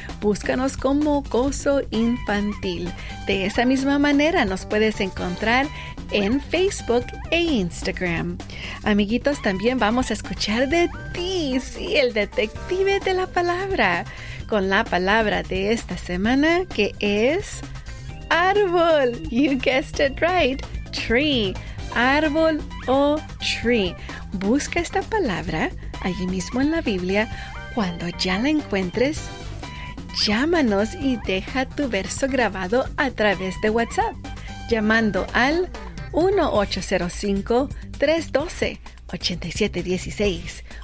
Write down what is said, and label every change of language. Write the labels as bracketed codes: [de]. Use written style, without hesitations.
[es] Búscanos como Gozo Infantil. De esa misma manera nos puedes encontrar en Facebook e Instagram. Amiguitos, también vamos a escuchar de ti, sí, el detective de la palabra, con la palabra de esta semana que es árbol. [en] You guessed it right, tree. [es] Árbol o tree. Busca esta palabra allí mismo en la Biblia. Cuando ya la encuentres, llámanos y deja tu verso grabado a través de WhatsApp, llamando al 1-805-312-8716.